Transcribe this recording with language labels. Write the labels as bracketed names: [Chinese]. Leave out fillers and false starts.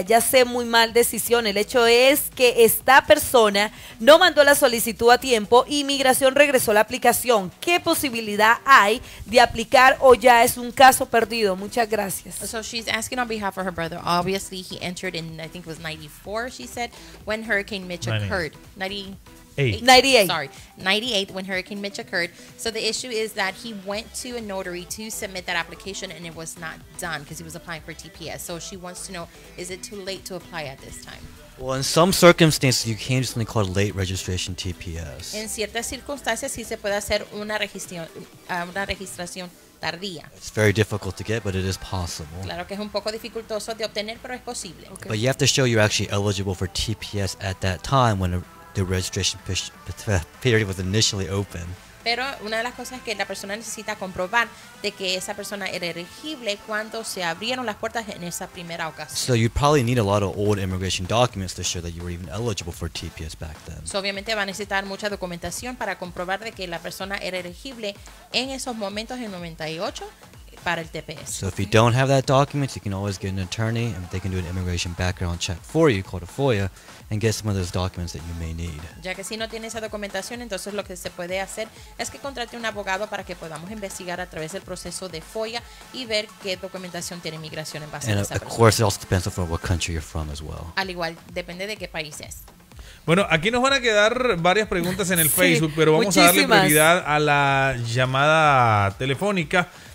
[Spanish] Ya sé, muy mal decisión. El hecho es que esta persona no mandó la solicitud a tiempo y Migración regresó la aplicación. ¿Qué posibilidad hay de aplicar o ya es un caso perdido? Muchas gracias. [English] So she's asking on behalf of her brother. Obviously, he entered in, I think it was 94, she said, when Hurricane Mitch occurred. 90. 98 when Hurricane Mitch occurred. So the issue is that he went to a notary to submit that application and it was not done because he was applying for TPS. So she wants to know, is it too late to apply at this time? Well, in some circumstances, you can do something called late registration TPS. [Spanish] En ciertas circunstancias, sí se puede hacer una registración tardía. [English] It's very difficult to get, but it is possible. [Spanish] Claro que es un poco dificultoso de obtener, pero es posible. [English] Okay. But you have to show you're actually eligible for TPS at that time when the registration period was initially open. [Spanish] Pero una de las cosas es que la persona necesita comprobar de que esa persona era elegible cuando se abrieron las puertas en esa primera ocasión. [English] So you probably need a lot of old immigration documents to show that you were even eligible for TPS back then. [Spanish] So obviamente va a necesitar mucha documentación para comprobar de que la persona era elegible en esos momentos en 98 para el TPS. [English] So if you don't have that document, you can always get an attorney and they can do an immigration background check for you called a FOIA. And get some of those documents that you may need. [Spanish] Ya que si no tiene esa documentación, entonces lo que se puede hacer es que contrate un abogado para que podamos investigar a través del proceso de FOIA y ver qué documentación tiene inmigración en base [English] and [Spanish] a esa persona. [English] And of course, it also depends on what country you're from as well. [Spanish] Al igual, depende de qué país es. Bueno, aquí nos van a quedar varias preguntas en el sí, Facebook, pero vamos muchísimas. A darle prioridad a la llamada telefónica.